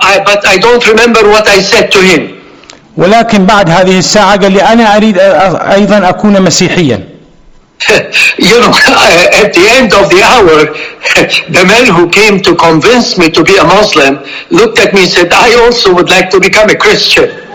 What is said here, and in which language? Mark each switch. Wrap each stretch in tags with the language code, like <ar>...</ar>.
<en>But I don't remember what I said to him.</en> <ar>ولكن بعد هذه الساعة قال لي أنا أريد أيضا أكون مسيحيا.</ar> <en>You know, at the end of the hour, the man who came to convince me to be a Muslim looked at me and said, I also would like to become a Christian.</en>